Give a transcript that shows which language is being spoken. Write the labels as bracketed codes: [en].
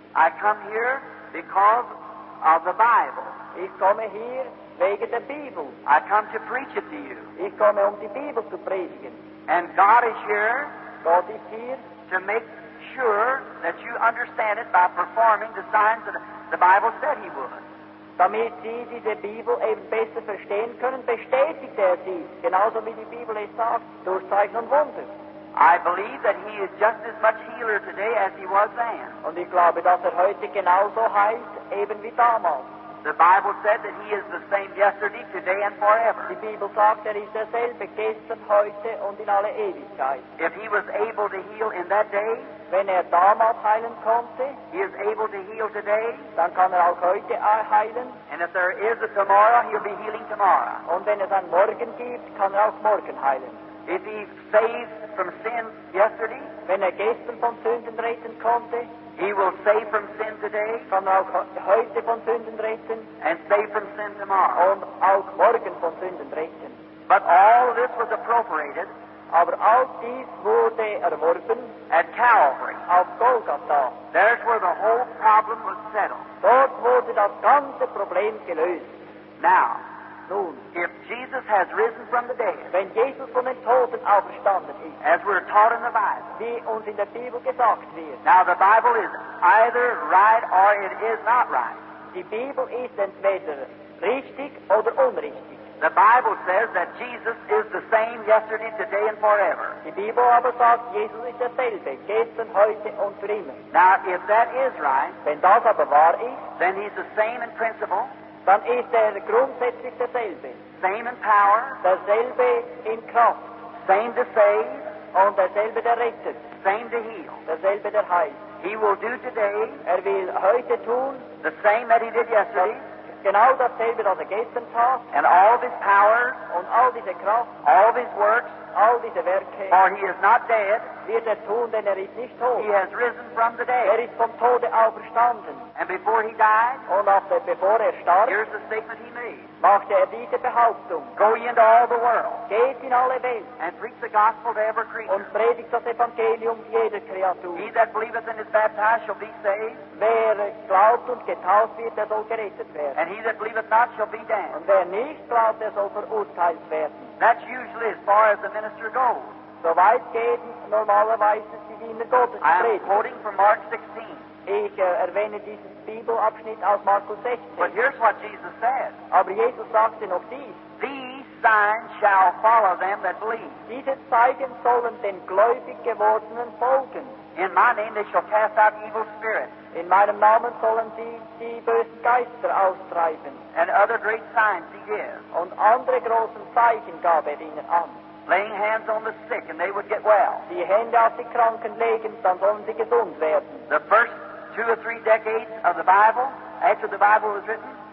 [en] I come here because of the Bible. [de] Ich komme hier wegen der Bibel. [en] I come to preach it to you. [de] Ich komme, die Bibel zu predigen. [en] And God is here, [de] Gott ist hier, [en] to make sure that you understand it by performing the signs that the Bible said he would. [de] Damit Sie diese Bibel eben besser verstehen können, bestätigt Sie, genauso wie die Bibel es sagt, durch Zeichen und Wunder. [en] I believe that he is just as much healer today as he was then. [de] Und ich glaube, dass heute genauso heilt, eben wie damals. [en] The Bible said that he is the same yesterday, today and forever. [de] Die Bibel sagt, ist derselbe gestern, heute und in alle Ewigkeit. [en] If he was able to heal in that day, [de] wenn damals heilen konnte, [en] he is able to heal today, [de] dann kann auch heute heilen. [en] And if there is a tomorrow, he'll be healing tomorrow. [de] Und wenn dann morgen gibt, kann auch morgen heilen. [en] If he saved from sin yesterday, [de] wenn gestern von Sünden retten konnte, [en] He will save from sin today. [de] Kann auch heute von Sünden retten. [en] And save from sin tomorrow. [de] Und auch morgen von Sünden retten. [en] But all this was appropriated. [de] Aber all dies wurde erworben. [en] At Calvary. [de] Auf Golgatha. [en] There's where the whole problem was settled. [de] Dort wurde das ganze Problem gelöst. [en] Now. [de] Nun, [en] if Jesus has risen from the dead, [de] wenn Jesus von den Toten auferstanden ist, [en] as we're taught in the Bible, [de] wie uns in der Bibel gesagt wird, [en] now the Bible is either right or it is not right. [de] Die Bibel ist entweder richtig oder unrichtig. [en] The Bible says that Jesus is the same yesterday, today, and forever. [de] Die Bibel aber sagt, Jesus ist derselbe, gestern, heute und für immer. [en] Now, if that is right, [de] wenn das aber wahr ist, [en] then he's the same in principle. [de] Dann ist er grundsätzlich derselbe. [en] Same in power. [de] Derselbe in Kraft. [en] Same to save. [de] Und derselbe der rettet. [en] Same to heal. [de] Derselbe der heilt. [en] He will do today. [de] Er will heute tun. [en] The same that he did yesterday. [de] Genau dasselbe, das er gestern tat. [en] And all his power. [de] Und all diese Kraft. [en] All his works. [de] All diese Werke. [en] For he is not dead. [de] Wird er tun, denn er ist nicht tot. [en] He has risen from the dead. [de] Er ist vom Tode auferstanden. [en] And before he died. [de] Und auf der, bevor er starb. [en] Here's the statement he made. [de] Machte er diese Behauptung. [en] Go ye into all the world. [de] Geht in alle Welt. [en] And preach the gospel to every creature. [de] Und predigt das Evangelium jeder Kreatur. [en] He that believeth and is baptized shall be saved. [de] Wer glaubt und getauft wird, der soll gerettet werden. [en] And he that believeth not shall be damned. [de] Und wer nicht glaubt, der soll verurteilt werden. [en] That's usually as far as the minister goes. [de] So weit geht normalerweise die Diener Gottes. [en] I am quoting from Mark 16. [de] Ich erwähne diesen Bibelabschnitt aus Markus 16. [en] But here's what Jesus said. [de] Aber Jesus sagte noch dies. [en] These signs shall follow them that believe. [de] Diese Zeichen sollen den gläubig gewordenen folgen. [en] In my name they shall cast out evil spirits. [de] In meinem Namen sollen die bösen Geister austreiben. [en] And other great signs he gives. [de] Und andere großen Zeichen gab er ihnen an. [en] Laying hands on the sick and they would get well. [de] Die Hände auf die Kranken legen, dann sollen sie gesund werden. [en] The first two or three decades of the Bible, after the Bible was written,